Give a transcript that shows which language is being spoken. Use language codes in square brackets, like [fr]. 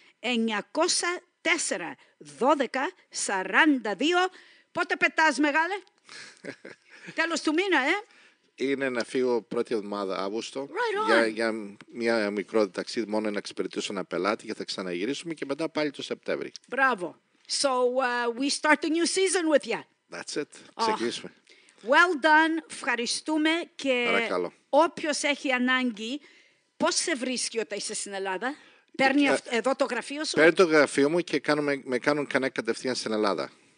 [el] 904-1242. Πότε πετάς, μεγάλε? Τέλος του μήνα, ε? Είναι να φύγω πρώτη εβδομάδα Αύγουστο για μια μικρό ταξίδι μόνο να εξυπηρετήσω ένα πελάτη και θα ξαναγυρίσουμε και μετά πάλι το Σεπτέμβρη. Μπράβο. [en] So we start a new season with you. That's it. [el] Ξεκινήσουμε. [en] Well done. [el] Ευχαριστούμε. Και παρακαλώ. Όποιος έχει ανάγκη, πώς σε βρίσκει όταν είσαι στην Ελλάδα? Παίρνει εδώ το γραφείο σου? Παίρνει το γραφείο μου και με κάνουν connect κατευθείαν στην Ελλάδα.